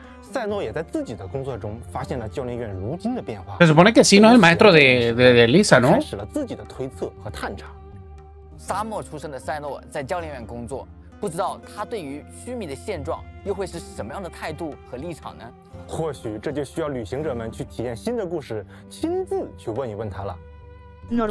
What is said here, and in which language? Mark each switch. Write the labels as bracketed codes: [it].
[zh] 赛诺也在自己的工作中发现了教练院如今的变化。 [es] Se supone que Sino es el maestro de Lisa, ¿no? [zh] 开始了自己的推测和探查。沙漠出身的赛诺在教练院工作，不知道他对于须弥的现状又会是什么样的态度和立场呢？或许这就需要旅行者们去体验新的故事，亲自去问一问他了。 Norman